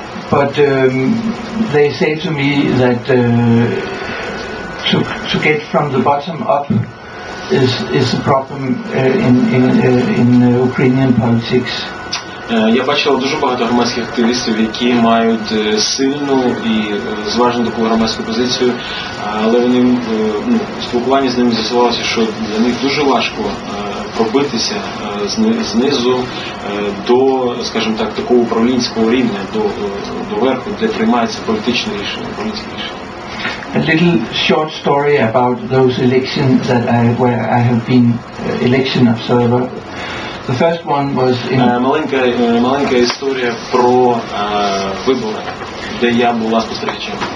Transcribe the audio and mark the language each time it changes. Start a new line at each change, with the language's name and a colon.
English: But they say to me that to get from the bottom up is a problem in Ukrainian politics.
Ukrainian: Я бачив дуже багато громадських активістів, які мають сильну і зважену таку громадську позицію, але вони спілкування з ними з'ясувалося, що для них дуже важко пробитися знизу до, скажімо так, такого управлінського рівня, до верху, де приймається політичне рішення, політичне рішення.
English: A little short story about those elections where I have been election observer. The first one was in
Ukrainian: маленька історія про вибори, де я була спостерігачем.